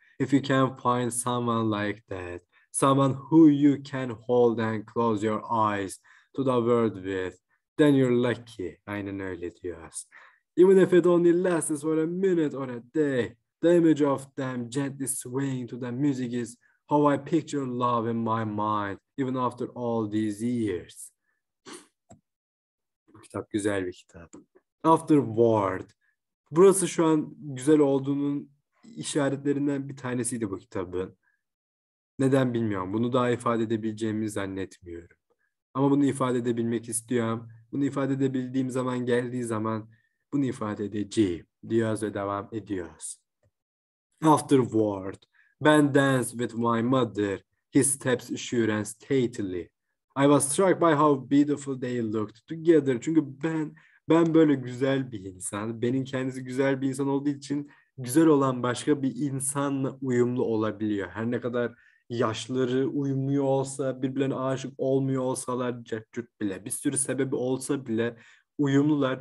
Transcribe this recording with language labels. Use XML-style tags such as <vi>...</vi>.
<en>If you can find someone like that, someone who you can hold and close your eyes to the world with, then you're lucky.</en> <tr>Aynen öyle diyoruz.</tr> <en>Even if it only lasts for a minute or a day, the image of them gently swaying to the music is how I picture love in my mind, even after all these years.</en> <tr>Bu kitap güzel bir kitap. Afterward. Burası şu an güzel olduğunun işaretlerinden bir tanesiydi bu kitabın. Neden bilmiyorum. Bunu daha ifade edebileceğimi zannetmiyorum. Ama bunu ifade edebilmek istiyorum. Bunu ifade edebildiğim zaman geldiği zaman bunu ifade edeceğim. Diyoruz ve devam ediyoruz.</tr> <en>Afterward, Ben danced with my mother, his steps sure and stately. I was struck by how beautiful they looked together.</en> <tr>Çünkü ben böyle güzel bir insan. Benim kendisi güzel bir insan olduğu için güzel olan başka bir insanla uyumlu olabiliyor. Her ne kadar yaşları uymuyor olsa, birbirlerine aşık olmuyor olsalar, cırt bile, bir sürü sebebi olsa bile uyumlular.</tr>